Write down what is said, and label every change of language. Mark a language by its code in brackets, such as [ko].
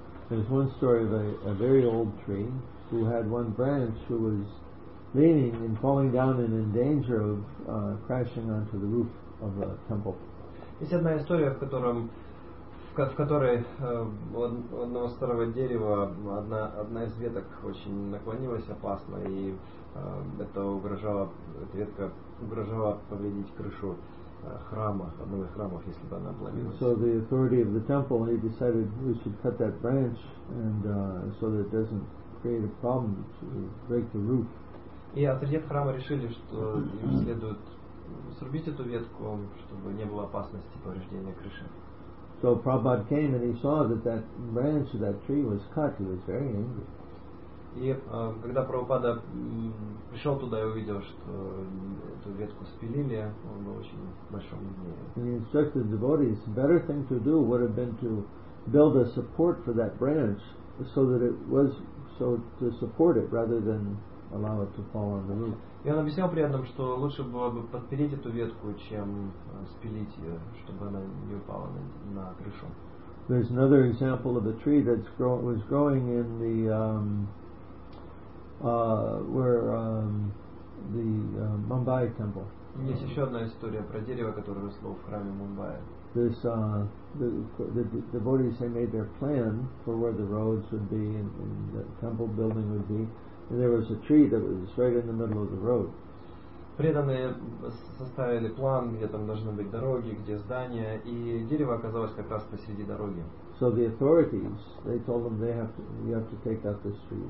[en] There's one story of a very old tree who had one branch who was leaning and falling down and in danger of crashing onto the roof of a temple. [ru] Есть одна история, в которой у одного старого дерева одна из веток очень наклонилась опасно, и эта ветка угрожала повредить крышу храма, одного из храмов, если бы она обломилась. [en] So the authority of the temple, he decided we should cut that branch and so that it doesn't create a problem to break the roof. [ru] И отойдя от храма, решили, что им следует срубить эту ветку, чтобы не было опасности повреждения крыши. [en] So Prabhupada came and he saw that that branch of that tree was cut. He was very angry. [ru] И когда Прабхупада пришел туда и увидел, что эту ветку спилили, он был очень большом гневе. [en] And he instructed the devotees, the better thing to do would have been to build a support for that branch so that it was so to support it rather than allow it to fall on the roof. [ru] И он объяснил при этом, что лучше было бы подпереть эту ветку, чем спилить ее, чтобы она не упала на крышу. [en] There's another example of a tree that was growing in the where the Mumbai temple. [ru] Есть еще одна история про дерево, которое росло в храме Мумбаи. [en] This the devotees had made their plan for where the roads would be and the temple building would be. And there was a tree that was right in the middle of the road. [ru] Преданные составили план, где там должны быть дороги, где здания, и дерево оказалось как раз посреди дороги. [en] So the authorities, they told them they have to, we have to take out this tree.